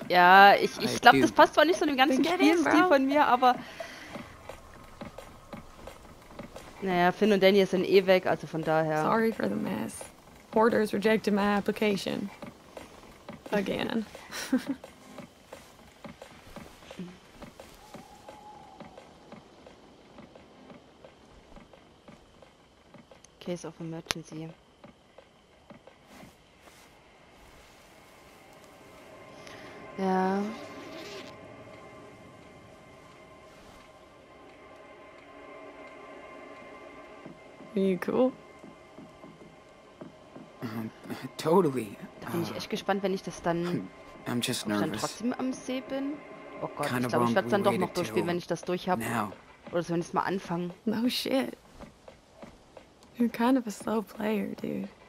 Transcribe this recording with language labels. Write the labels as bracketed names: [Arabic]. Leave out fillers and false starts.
[German] Ja, ich glaube, das passt zwar nicht so dem ganzen Spielstil von mir, aber... Naja, Finn und Danny sind eh weg, also von daher... [English] Sorry for the mess. Porters rejected my application. Again. Case of emergency. [German] Ja. [English] Are you cool? Totally. [German] Da bin ich echt gespannt, wenn ich das dann... [English] I'm just nervous. [German] Dann trotzdem am See bin. Oh Gott, kind ich glaube, ich werde es dann doch noch durchspielen, wenn ich das durch habe. Oder zumindest mal anfangen. [English] No shit. You're kind of a slow player, dude.